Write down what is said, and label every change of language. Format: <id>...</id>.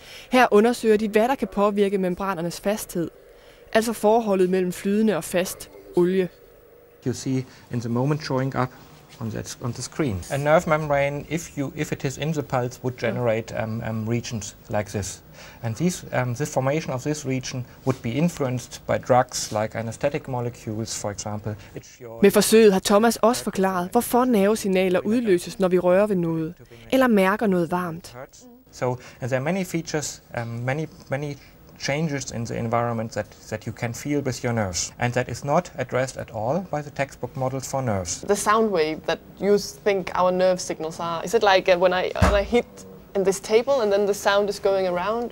<da>Her undersøger de, hvad der kan påvirke membranernes fasthed, altså forholdet mellem flydende og fast olie.</da> <en>You see in the moment showing up on that on the screen. A nerve membrane, if it is in the pulse, would generate regions like this. And these this formation of this region would be influenced by drugs like anesthetic molecules, for example.</en> <da>Med forsøget har Thomas også forklaret, hvorfor nervesignaler udløses, når vi rører ved noget eller mærker noget varmt.</da> <en>So there are many features, many changes in the environment that you can feel with your nerves, and that is not addressed at all by the textbook models for nerves. The sound wave that you think our nerve signals are—is it like when I hit in this table and then the sound is going around?</en>